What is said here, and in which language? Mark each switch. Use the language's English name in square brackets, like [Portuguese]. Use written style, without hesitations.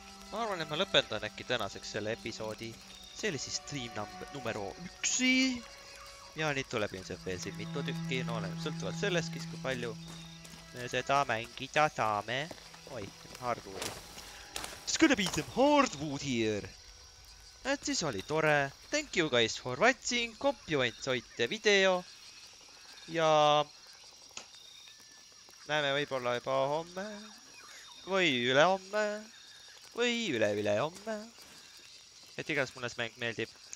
[Estonian] Ma arvan, et ma lõpendan äkki tänaseks selle episoodi. See oli siis stream numero 1. Ja nüüd tuleb ilmselt veel siin mitu tükki. No oleme sõltuvalt selleski, kui palju me seda mängida saame. [English] Oi, hardwood. It's gonna be some hardwood here. [Estonian] Et siis oli tore. [English] Thank you guys for watching. Hope you enjoyed the video. [Estonian] Ja... Näeme võibolla juba homme. Või üle homme. Või üle homme. Et igas mõnes mäng meeldib.